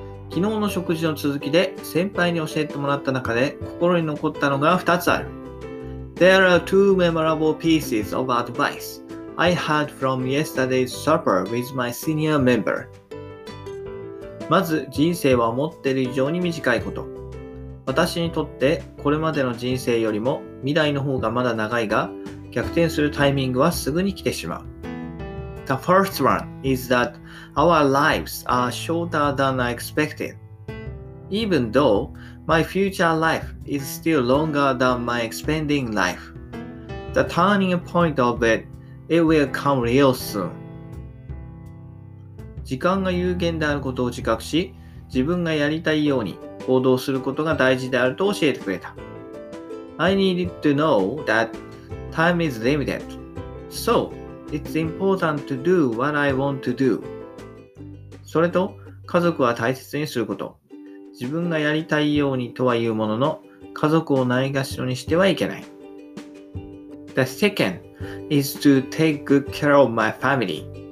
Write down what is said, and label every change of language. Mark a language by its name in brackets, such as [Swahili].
[Japanese] 昨日の食事の続きで先輩に教えてもらった中で心に残ったのが2つある。 [English] There are two memorable pieces of advice I had from yesterday's supper with my senior member. [Japanese] まず人生は思っている以上に短いこと。私にとってこれまでの人生よりも未来の方がまだ長いが、逆転するタイミングはすぐに来てしまう。 [English] The first one is that our lives are shorter than I expected. Even though my future life is still longer than my expanding life, the turning point of it, it will come real soon. [Japanese] 時間が有限であることを自覚し、自分がやりたいように行動することが大事であると教えてくれた。 [English] I needed to know that time is limited, so it's important to do what I want to do. [Japanese] それと、家族は大切にすること。自分がやりたいようにとは言うものの、家族をないがしろにしてはいけない。 [English] The second is to take good care of my family.